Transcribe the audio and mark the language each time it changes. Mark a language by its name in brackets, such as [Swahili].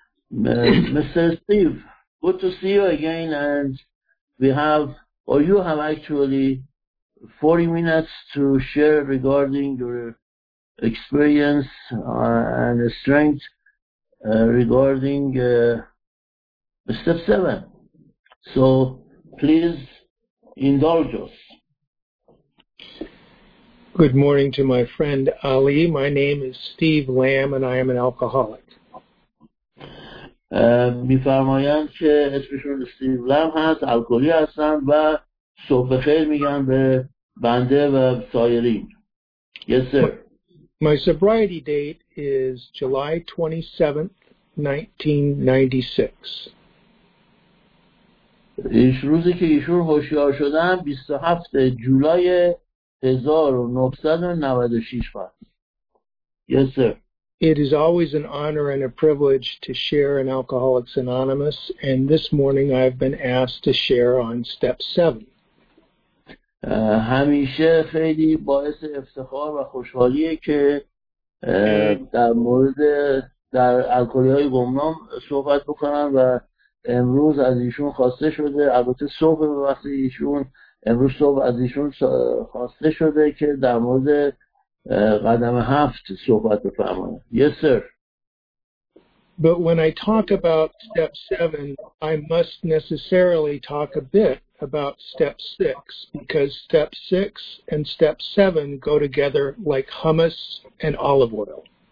[English] Mister Steve, good to see you again and you have actually 40 minutes to share regarding your experience and strength regarding step 7. So please indulge us. Good morning to my friend Ali. My name is Steve Lamb and I am an alcoholic. [Persian] می‌فرمایند که اسمشون استیو لام هست، الکلی هستن و صبح خیر میگن به بنده و سایرین. [English] Yes sir. My sobriety date is July 27th, 1996. [Persian] ایش روزی که ایشون هوشیار شدن 27 جولای 1996 بود. [English] Yes sir. It is always an honor and a privilege to share in Alcoholics Anonymous, and this morning I've been asked to share on step 7. [Persian] همیشه خیلی باعث افتخار و خوشحالیه که در مورد در الکلی‌های گمنام صحبت بکنم و امروز از ایشون خواسته شده، البته صبح به وقت ایشون، امروز صبح از ایشون خواسته شده که در مورد قدم 7 صحبت بفرمایید. [English] Yes sir. But when I talk about step 7, I must necessarily talk a bit about step 6 because step 6 and step 7 go together like hummus and olive oil.